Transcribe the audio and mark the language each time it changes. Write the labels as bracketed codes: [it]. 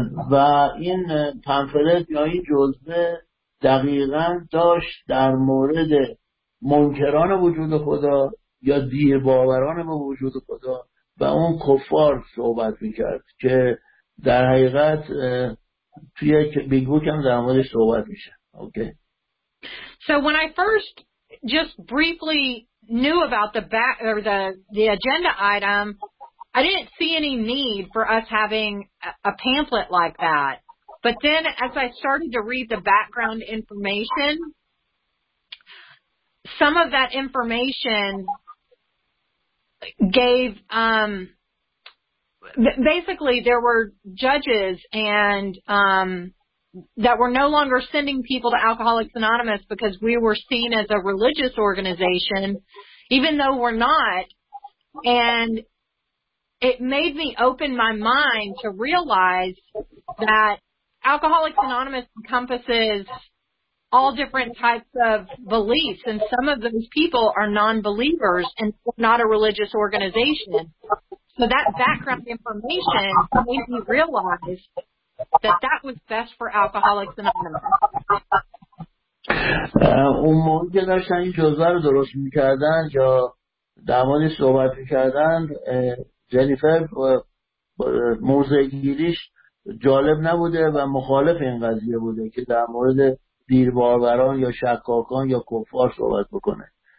[fa] و این پمفلت یا این جزوه دقیقاً داشت در مورد منکران وجود خدا یا دیر باوران به وجود خدا و اون کفار صحبت می‌کرد که در حقیقت توی بیگوک هم در مورد صحبت میشه. [en] Okay. So when I first just briefly knew about the agenda item, I didn't see any need for us having a pamphlet like that. But then as I started to read the background information, some of that information gave basically there were judges and that were no longer sending people to Alcoholics Anonymous because we were seen as a religious organization, even though we're not. And it made me open my mind to realize that Alcoholics Anonymous encompasses all different types of beliefs, and some of those people are non-believers and not a religious organization. So that background information made me realize that that was best for Alcoholics Anonymous. [fa] اون موقعی که داشتن این جزوه رو درست میکردن یا درمانی صحبت میکردن جنیفر موضع‌گیریش جالب نبوده و مخالف این قضیه بوده که در مورد بیرباروران یا شکاکان یا کفار صحبت بکنه.